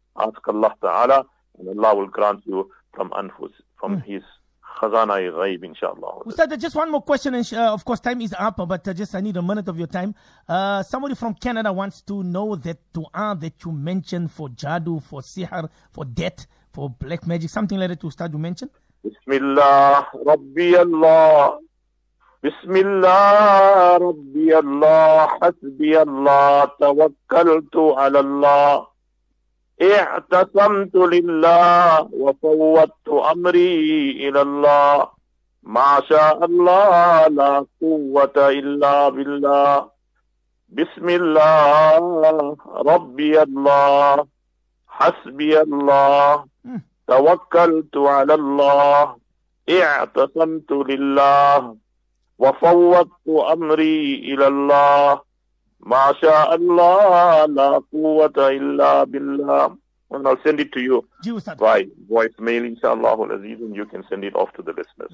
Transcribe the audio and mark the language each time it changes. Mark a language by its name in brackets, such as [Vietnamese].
[English] Ask Allah Ta'ala, and Allah will grant you from His khazana-i-ghaib, inshallah. Ustaz, just one more question. Of course, time is up, but I need a minute of your time. Somebody from Canada wants to know that dua that you mentioned for jadu, for sihr, for death, for black magic, something like that, Ustaz, you mentioned? [Arabic] Bismillah, Rabbi Allah. بسم الله ربي الله حسبي الله توكلت على الله اعتصمت لله وفوضت أمري إلى الله ما شاء الله لا قوة إلا بالله بسم الله ربي الله حسبي الله توكلت على الله اعتصمت لله وفوضت أمري إلى الله ما شاء الله لا قوة إلا بالله. [English] And I'll send it to you by voice mail, inshallah, Al-Aziz, and you can send it off to the listeners.